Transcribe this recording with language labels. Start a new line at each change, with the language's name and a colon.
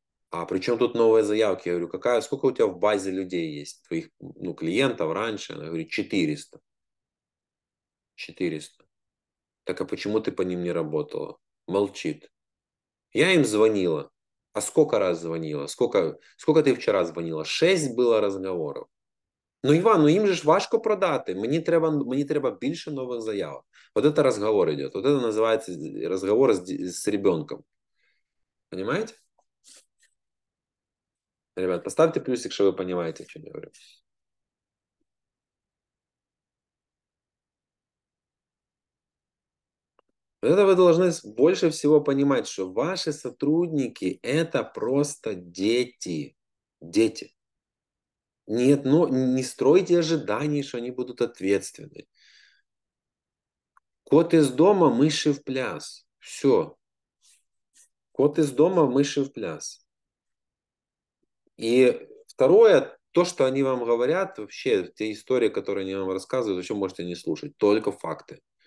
Russian: А при чем тут новые заявки? Я говорю, какая, сколько у тебя в базе людей есть? Твоих, ну, клиентов раньше? Она говорит, 400. 400. Так а почему ты по ним не работала? Молчит. Я им звонила. А сколько раз звонила? Сколько ты вчера звонила? 6 было разговоров.
Ukrainian: Ну, Іван, ну їм же ж важко продати. Мені треба більше нових заявок. От це розговор йде. От це називається розговор з ребенком. Понимаєте? Ребят, поставте плюс, якщо ви розумієте, що я говорю. От це ви повинні більше всього розуміти, що ваші сотрудники – це просто діти. Діти.
Russian: Нет, ну не стройте ожиданий, что они будут ответственны. Кот из дома, мыши в пляс. Все. Кот из дома, мыши в пляс. И второе, то, что они вам говорят, вообще, те истории, которые они вам рассказывают, вообще можете не слушать. Только факты.